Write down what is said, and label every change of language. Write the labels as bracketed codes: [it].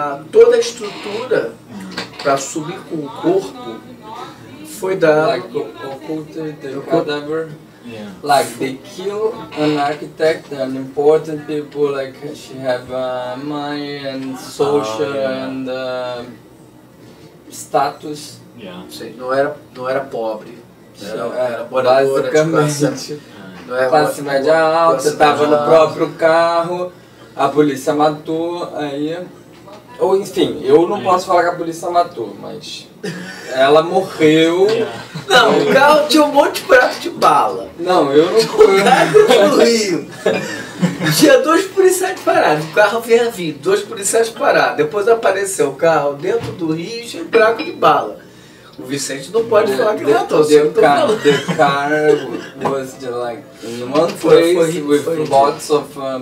[pt] Toda a estrutura para subir com o corpo foi dado. [en] Like whatever. Yeah. Like they kill an architect and important people, like she have money and social and status. [pt] Yeah. Não era pobre. Era moradora de classe média alta, estava no próprio carro, a polícia matou, aí. Ou enfim, eu não posso falar que a polícia matou, mas ela morreu. Não, o carro tinha um monte de buraco de bala. Não, eu não conheço. Do Rio. Tinha dois policiais parados, o carro vinha vir, dois policiais parados. Depois apareceu o carro dentro do Rio e tinha um buraco de bala. O Vicente não pode falar que matou, eu não tô falando. [en] The car was the, like, in one place with lots of...